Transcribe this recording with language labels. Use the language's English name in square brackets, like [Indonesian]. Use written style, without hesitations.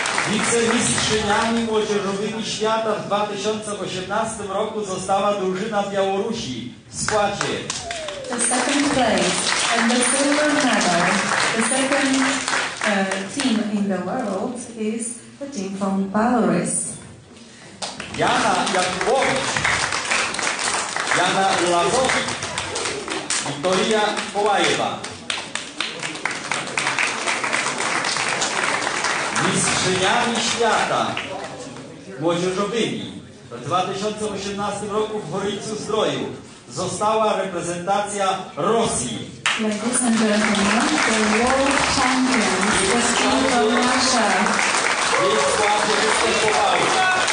[Polish] Wicemistrzyniami młodzieżowymi świata w 2018 roku została drużyna Białorusi w składzie. [English] The second place and the silver medal, the second team in the world is the team from Belarus. [Polish] Jana Jakubowicz, Jana Lazowicz, Wiktoria Kołajewa. Mistrzyniami świata młodzieżowymi w 2018 roku w Horyńcu Zdroju została reprezentacja Rosji. [English] Ladies and gentlemen, the world champion was coming from Russia.